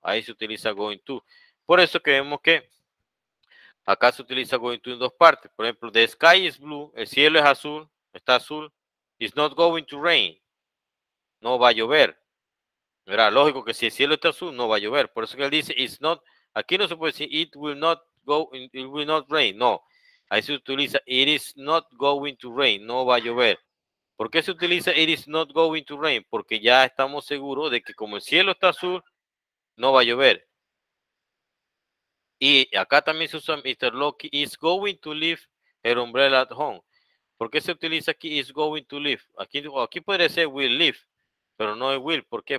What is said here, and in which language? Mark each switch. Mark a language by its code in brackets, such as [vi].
[es] Ahí se utiliza going to. Por eso que vemos que acá se utiliza going to en dos partes. Por ejemplo, [en] the sky is blue. [es] El cielo es azul. Está azul. [en] It's not going to rain. [es] No va a llover. ¿Verdad? Lógico que si el cielo está azul, no va a llover. Por eso que él dice, it's not, aquí no se puede decir, [en] it will not rain. [es] No. Ahí se utiliza, [en] it is not going to rain. [es] No va a llover. ¿Por qué se utiliza, [en] it is not going to rain? [es] Porque ya estamos seguros de que como el cielo está azul, no va a llover. Y acá también se usa [en] Mr. Lucky is going to leave her umbrella at home. [es] ¿Por qué se utiliza aquí is going to leave? Aquí podría ser will leave, pero no es will. ¿Por qué?